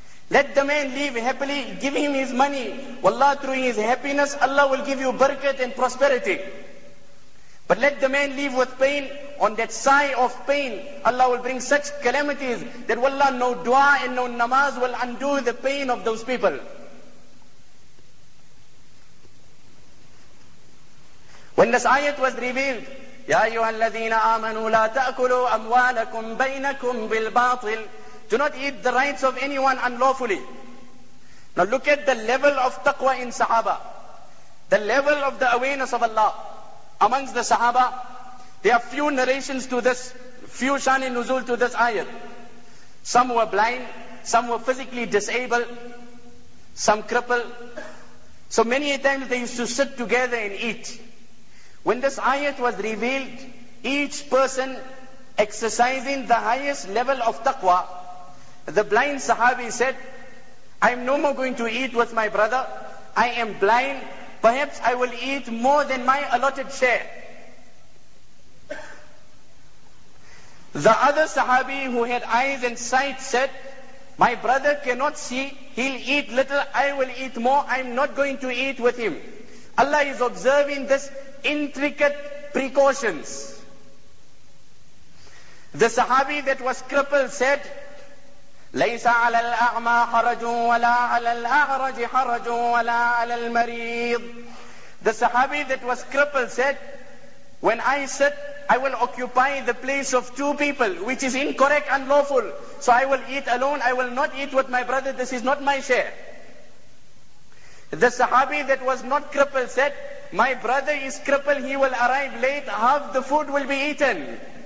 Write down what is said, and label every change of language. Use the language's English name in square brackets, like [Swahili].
[English] Let the man leave happily, give him his money. Wallah, through his happiness, Allah will give you barakat and prosperity. But let the man leave with pain, on that sigh of pain, Allah will bring such calamities that wallah, no dua and no namaz will undo the pain of those people. When this ayat was revealed, [Arabic] يَا أَيُّهَا الَّذِينَ آمَنُوا لَا تَأْكُلُوا أَمْوَالَكُمْ بَيْنَكُمْ بِالْبَاطِلِ. [English] Do not eat the rights of anyone unlawfully. Now look at the level of taqwa in sahaba. The level of the awareness of Allah amongst the sahaba. There are few narrations to this, few shani nuzul to this ayat. Some were blind, some were physically disabled, some crippled. So many times they used to sit together and eat. When this ayat was revealed, each person exercising the highest level of taqwa, the blind sahabi said, I'm no more going to eat with my brother. I am blind. Perhaps I will eat more than my allotted share. The other sahabi who had eyes and sight said, my brother cannot see. He'll eat little. I will eat more. I'm not going to eat with him. Allah is observing this intricate precautions. The sahabi that was crippled said, [Arabic] لَيْسَ عَلَى الْأَعْمَى حَرَجٌ وَلَا عَلَى الْأَعْرَجِ حَرَجٌ وَلَا عَلَى الْمَرِيضِ. [English] The sahabi that was crippled said, when I sit, I will occupy the place of two people, which is incorrect and lawful. So I will eat alone, I will not eat with my brother, this is not my share. The sahabi that was not crippled said, my brother is crippled, he will arrive late, half the food will be eaten.